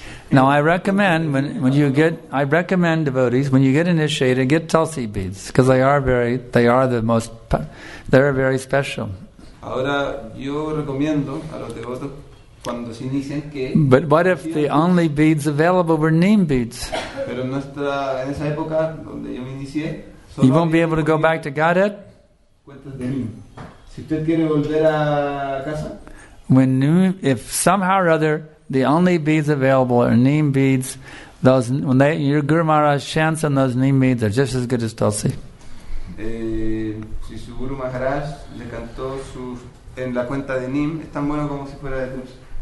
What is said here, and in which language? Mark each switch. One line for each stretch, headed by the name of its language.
English: Now I recommend devotees when you get initiated get Tulsi beads because they are very special.
Spanish: Ahora yo recomiendo a los devotos cuando se inician que.
English: But what if the only beads available were neem beads?
Spanish: Pero en esa época donde yo me inicié.
English: You won't be able to go back to Godhead.
Spanish: Cuentas de neem. Si usted quiere volver a casa.
English: If somehow or other the only beads available are neem beads, those when they your Guru Maharaj chants on those neem beads are just as good as Tulsi.
Spanish: Si su Guru Maharaj le cantó en la cuenta de neem, es tan bueno como si fuera de Tulsi.